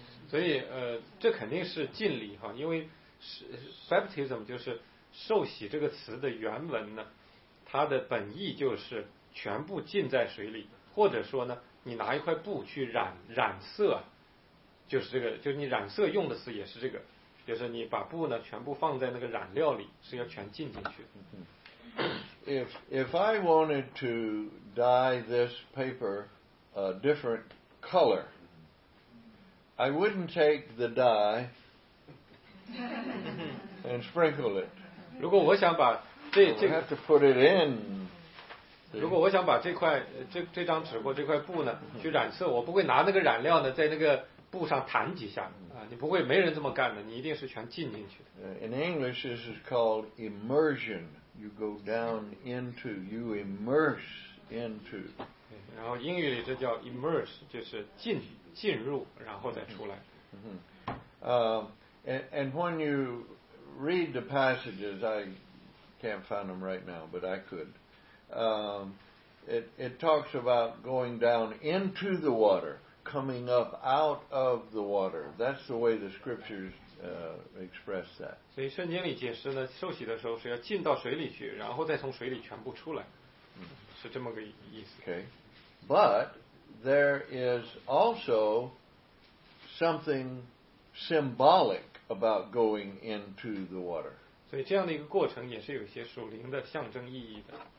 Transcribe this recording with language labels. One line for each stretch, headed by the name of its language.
Chinese: 所以这肯定是浸礼哈，因为 baptism 就是受洗这个词的原文呢，它的本意就是全部浸在水里，或者说呢，你拿一块布去染色，就是这个，就是你染色用的词也是这个，就是你把布呢全部放在那个染料里，是要全浸进去的。
English: If I wanted to dye this paper a different color, I wouldn't take the dye and sprinkle it.
Chinese: 如果我想把这
English: have to put it in.
Chinese: 如果我想把这张纸或这块布呢去染色，我不会拿那个染料呢在那个布上弹几下啊，你不会，没人这么干的，你一定是全浸进去的。
English: In English, this is called immersion. You go down into, you immerse into.
Chinese: 然后英语里这叫 immerse, 就是进入，然后再出来。
English: And when you read the passages, I can't find them right now, but I could. It talks about going down into the water, coming up out of the water. That's the way the scriptures express that.
Chinese: 所以圣经里解释呢，受洗的时候是要进到水里去，然后再从水里全部出来，是这么个意思。
English: Okay. But there is also something symbolic about going into the water.
Chinese: 所以这样的一个过程也是有些属灵的象征意义的。